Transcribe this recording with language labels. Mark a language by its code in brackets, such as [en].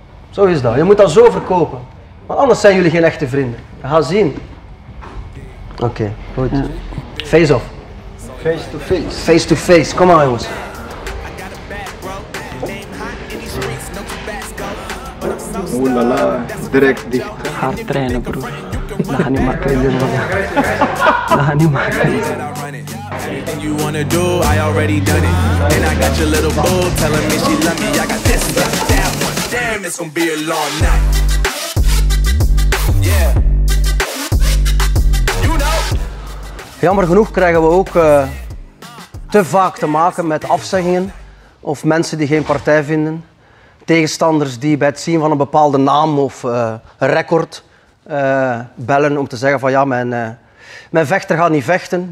[nl] Zo is dat. Je moet dat zo verkopen. Want anders zijn jullie geen echte vrienden. Ga zien. Oké, goed. Face off. [en] Face-to-face. [nl] Face-to-face, kom maar jongens. Oelala, direct dicht. Hard trainen, broer. Dat gaat niet makkelijk doen, man. Dat gaat niet makkelijk. [en] Anything you wanna do, I already done it. And I got your little boo telling me she love me. I got this one, that one. Damn, it's gonna be a long night. Yeah. [nl] Jammer genoeg krijgen we ook te vaak te maken met afzeggingen of mensen die geen partij vinden. Tegenstanders die bij het zien van een bepaalde naam of record bellen om te zeggen van ja, mijn vechter gaat niet vechten.